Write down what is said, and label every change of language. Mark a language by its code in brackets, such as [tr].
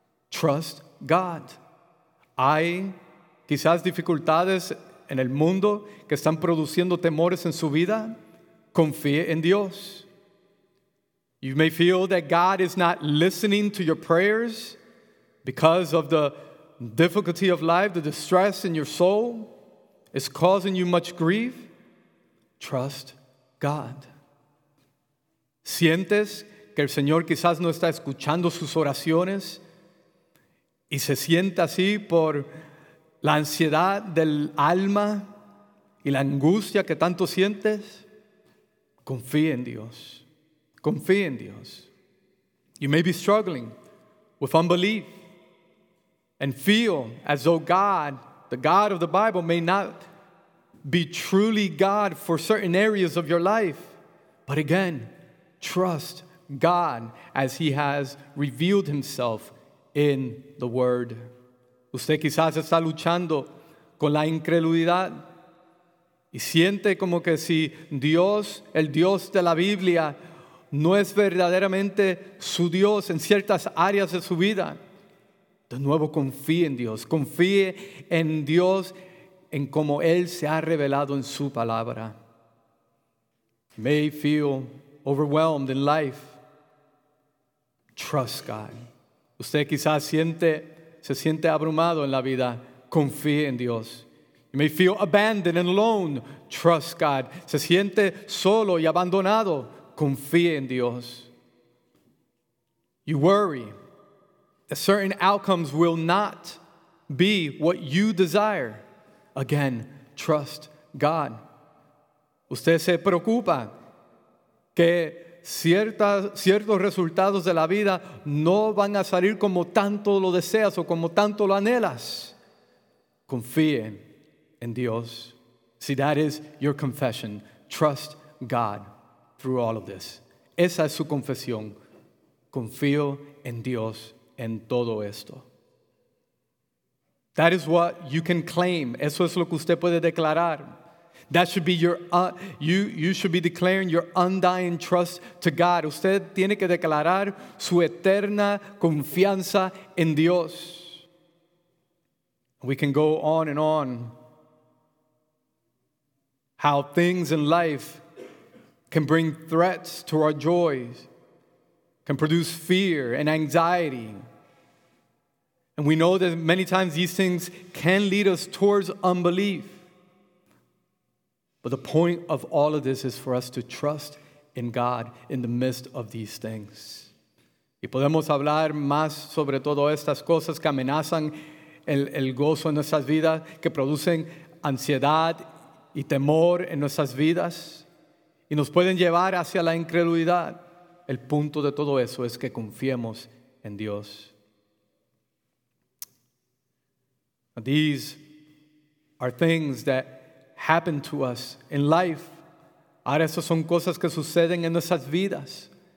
[en] Trust God. [es] Hay quizás dificultades en el mundo que están produciendo temores en su vida. Confíe en Dios. [en] You may feel that God is not listening to your prayers because of the difficulty of life, the distress in your soul is causing you much grief. Trust God. [es] Sientes que el Señor quizás no está escuchando sus oraciones y se siente así por la ansiedad del alma y la angustia que tanto sientes. Confía en Dios. Confía en Dios. [en] You may be struggling with unbelief and feel as though God, the God of the Bible, may not be truly God for certain areas of your life. But again, trust God as He has revealed Himself in the Word. [es] Usted quizás está luchando con la incredulidad y siente como que si Dios, el Dios de la Biblia, no es verdaderamente su Dios en ciertas áreas de su vida. De nuevo, confíe en Dios. Confíe en Dios en como Él se ha revelado en su palabra. [en] You may feel overwhelmed in life. Trust God. [es] Usted quizás se siente abrumado en la vida. Confíe en Dios. [en] You may feel abandoned and alone. Trust God. [es] Se siente solo y abandonado. Confíe en Dios. [en] You worry that certain outcomes will not be what you desire. Again, trust God. [es] Usted se preocupa que ciertos resultados de la vida no van a salir como tanto lo deseas o como tanto lo anhelas. Confíe en Dios. [en] See, that is your confession. Trust God. Through all of this. [es] Esa es su confesión. Confío en Dios en todo esto. [en] That is what you can claim. [es] Eso es lo que usted puede declarar. [en] That should be your, you should be declaring your undying trust to God. [es] Usted tiene que declarar su eterna confianza en Dios. [en] We can go on and on. How things in life can bring threats to our joys, can produce fear and anxiety. And we know that many times these things can lead us towards unbelief. But the point of all of this is for us to trust in God in the midst of these things. [es] Y podemos hablar más sobre todas estas cosas que amenazan el gozo en nuestras vidas, que producen ansiedad y temor en nuestras vidas. Y nos pueden llevar hacia la incredulidad. El punto de todo eso es que confiemos en Dios. [en] These are things that happen to us in life. [es] Ahora, esas son cosas que suceden en nuestras vidas.